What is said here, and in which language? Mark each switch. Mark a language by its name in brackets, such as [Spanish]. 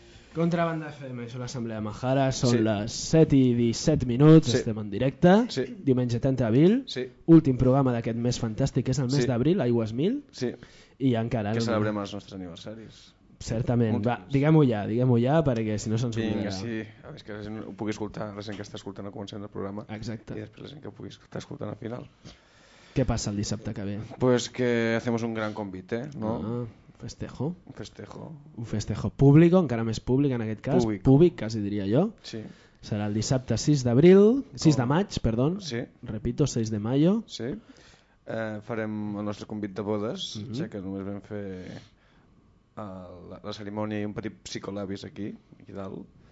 [Catalan] Contrabanda FM, això és l'Assemblea Majara, són sí. les 7 i 17 minuts, estem en directe, diumenge 30 d'abril, últim programa d'aquest mes fantàstic, és el mes d'abril, Aigües Mil, i encara... Que celebrem els nostres aniversaris. Certament, va, diguem-ho ja, perquè si no se'ns oblidarà. Vinga, sí, a més que la gent ho pugui escoltar, la gent que està escoltant al començament del programa, exacte. I després la gent que ho pugui estar escoltant al final. Què passa el dissabte que ve? [Spanish] Pues que hacemos un gran convite, no? Ah. Festejo. Un festejo. [Catalan] Un festejo público, encara més públic en aquest cas. [Spanish] Público. [Catalan] Públic, quasi diria jo. Sí. Serà el dissabte 6 d'abril, 6 de maig, perdó. Sí. [Spanish] Repito, 6 de mayo. Sí. [Catalan] Farem el nostre convit de bodes, ja que només vam fer la cerimònia i un petit psicolabis aquí, aquí dalt.